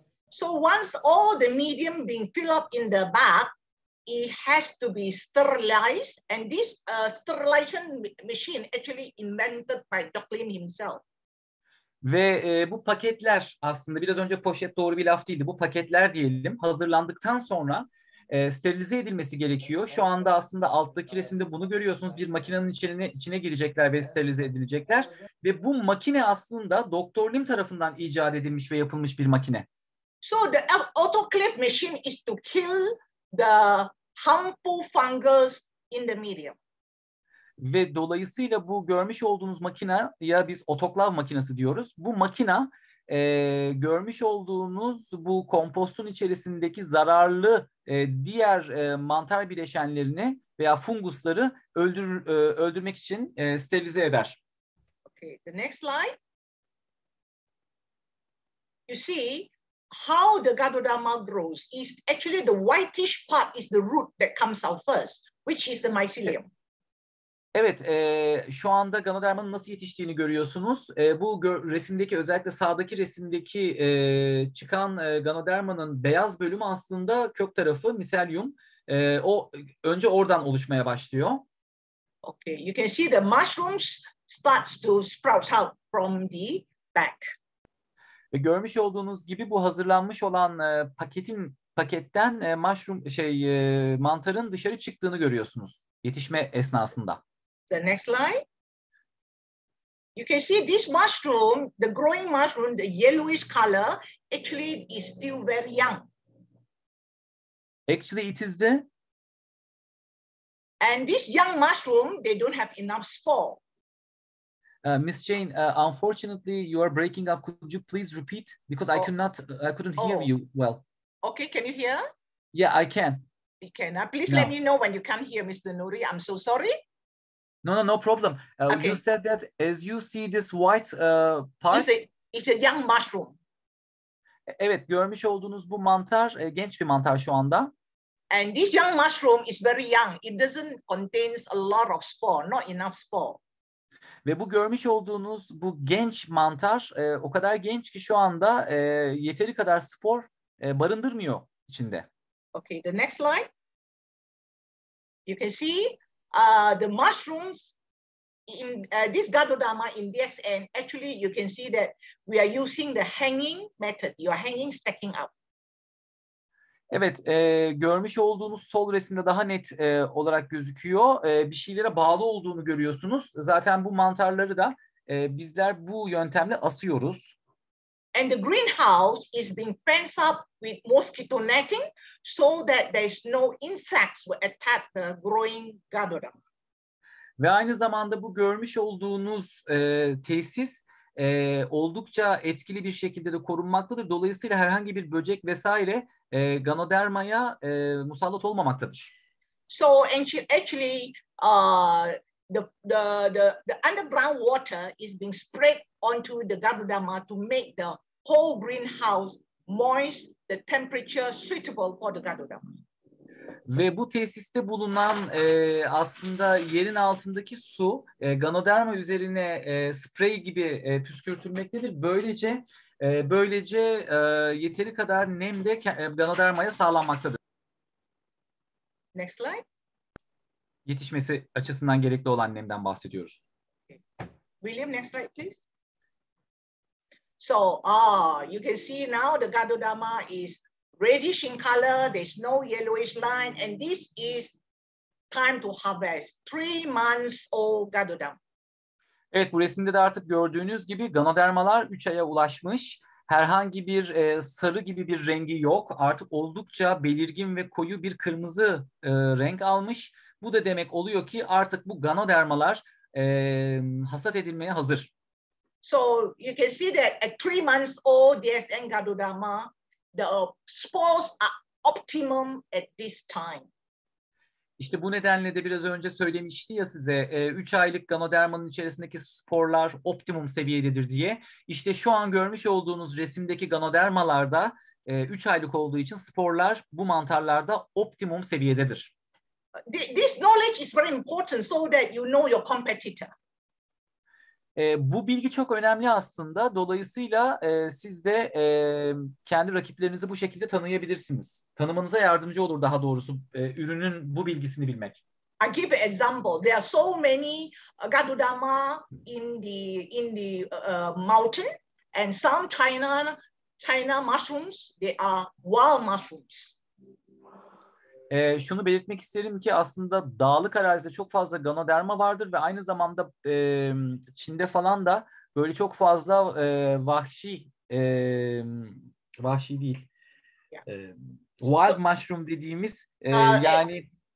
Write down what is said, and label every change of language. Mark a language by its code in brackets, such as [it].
[en] So once all the medium being filled up in the bag, it has to be sterilized. And this sterilization machine actually invented by Dockley himself. [tr] Ve bu paketler aslında, biraz önce poşet doğru bir laf değildi, bu paketler diyelim, hazırlandıktan sonra sterilize edilmesi gerekiyor. Şu anda aslında alttaki resimde bunu görüyorsunuz. Bir makinenin içine girecekler ve sterilize edilecekler. Ve bu makine aslında Dr. Lim tarafından icat edilmiş ve yapılmış bir makine. [en] So the autoclave machine is to kill the harmful fungus in the medium. [tr] Ve dolayısıyla bu görmüş olduğunuz makine, ya biz otoklav makinesi diyoruz. Bu makine görmüş olduğunuz bu kompostun içerisindeki zararlı diğer mantar bileşenlerini veya fungusları öldürmek için sterilize eder. [en] Okay, the next slide. You see how the Ganoderma grows is actually the whitish part is the root that comes out first, which is the mycelium. [tr] Evet. Evet, şu anda Ganoderma'nın nasıl yetiştiğini görüyorsunuz. Bu resimdeki, özellikle sağdaki resimdeki çıkan Ganoderma'nın beyaz bölümü aslında kök tarafı, miselyum. O önce oradan oluşmaya başlıyor. [en] Okay, you can see the mushrooms starts to sprout out from the back. [tr] Ve görmüş olduğunuz gibi bu hazırlanmış olan paketten mantarın dışarı çıktığını görüyorsunuz yetişme esnasında. [en] The next slide. You can see this mushroom, the growing mushroom, the yellowish color, actually is still very young. Actually, it is the. And this young mushroom, they don't have enough spore. Miss Jane, unfortunately, you are breaking up. Could you please repeat? Because I couldn't hear you well. Okay, can you hear? Yeah, I can. You can. Please let me know when you can't hear, Mr. Nuri. I'm so sorry. No problem. Okay. You said that as you see this white part. It's a young mushroom. [tr] Evet, görmüş olduğunuz bu mantar genç bir mantar şu anda. [en] And this young mushroom is very young. It doesn't contain a lot of spore, not enough spore. [tr] Ve bu görmüş olduğunuz bu genç mantar o kadar genç ki şu anda yeteri kadar spor barındırmıyor içinde. [en] Okay, the next slide. You can see the mushrooms in this Ganoderma in DXN, actually you can see that we are using the hanging method. You are hanging, stacking up. [tr] Evet, görmüş olduğunuz sol resimde daha net olarak gözüküyor. Bir şeylere bağlı olduğunu görüyorsunuz. Zaten bu mantarları da bizler bu yöntemle asıyoruz. [en] And the greenhouse is being fenced up with mosquito netting so that there's no insects will attack the growing Ganoderma. [tr] Ve aynı zamanda bu görmüş olduğunuz tesis oldukça etkili bir şekilde de korunmaktadır. Dolayısıyla herhangi bir böcek vesaire Ganoderma'ya musallat olmamaktadır. [en] So actually the underground water is being spread onto the Ganoderma to make the whole greenhouse moist, the temperature suitable for the Ganoderma. [tr] Ve bu tesiste bulunan aslında yerin altındaki su Ganoderma üzerine sprey gibi püskürtülmektedir. Böylece yeteri kadar nem de Ganoderma'ya sağlanmaktadır. [en] Next slide. [tr] Yetişmesi açısından gerekli olan nemden bahsediyoruz. [en] Okay. William, next slide please. So, you can see now the Ganoderma is reddish in color, there's no yellowish line, and this is time to harvest. 3 months old Ganoderma. [tr] Evet, bu resimde de artık gördüğünüz gibi Ganodermalar 3 aya ulaşmış. Herhangi bir sarı gibi bir rengi yok. Artık oldukça belirgin ve koyu bir kırmızı renk almış. Bu da demek oluyor ki artık bu Ganodermalar hasat edilmeye hazır. [en] So you can see that at 3 months old DSN Ganoderma, the spores are optimum at this time. [tr] İşte bu nedenle de biraz önce söylemişti ya size, 3 aylık Ganoderma'nın içerisindeki sporlar optimum seviyededir diye. İşte şu an görmüş olduğunuz resimdeki Ganodermalarda 3 aylık olduğu için sporlar bu mantarlarda optimum seviyededir. [en] This knowledge is very important so that you know your competitor. [tr] Bu bilgi çok önemli aslında. Dolayısıyla siz de kendi rakiplerinizi bu şekilde tanıyabilirsiniz. Tanımanıza yardımcı olur daha doğrusu ürünün bu bilgisini bilmek. [en] I give an example. There are so many Ganoderma in the mountain, and some China mushrooms, they are wild mushrooms. [tr] Şunu belirtmek isterim ki aslında dağlık arazide çok fazla ganoderma vardır ve aynı zamanda Çin'de falan da böyle çok fazla vahşi değil, wild mushroom dediğimiz yani